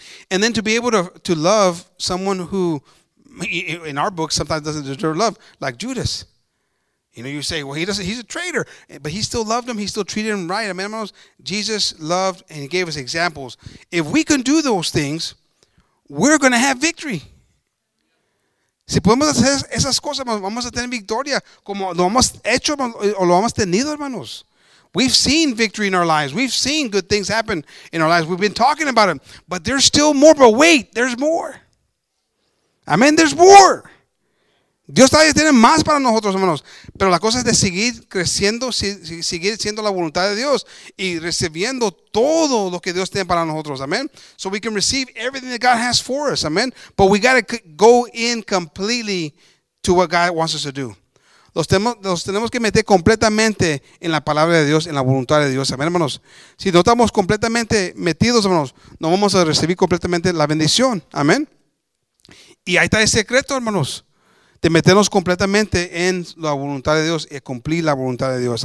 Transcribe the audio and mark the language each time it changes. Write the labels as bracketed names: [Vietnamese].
[English] And then to be able to love someone who, in our book, sometimes doesn't deserve love, like Judas. You know, you say, well, he's a traitor, but he still loved him, he still treated him right. [Spanish] Amen, hermanos. [English] Jesus loved and he gave us examples. If we can do those things, we're going to have victory. [Spanish] Si podemos hacer esas cosas, vamos a tener victoria, como lo hemos hecho o lo hemos tenido, hermanos. [English] We've seen victory in our lives. We've seen good things happen in our lives. We've been talking about it. But there's still more. But wait, there's more. Amen, there's more. [Spanish] Dios todavía tiene más para nosotros, hermanos. Pero la cosa es de seguir creciendo, seguir siendo la voluntad de Dios y recibiendo todo lo que Dios tiene para nosotros. Amen. [English] So we can receive everything that God has for us. Amen. But we got to go in completely to what God wants us to do. [Spanish] Los tenemos que meter completamente en la palabra de Dios, en la voluntad de Dios. Amén, hermanos. Si no estamos completamente metidos, hermanos, no vamos a recibir completamente la bendición. Amén. Y ahí está el secreto, hermanos. de meternos completamente en la voluntad de Dios y cumplir la voluntad de Dios.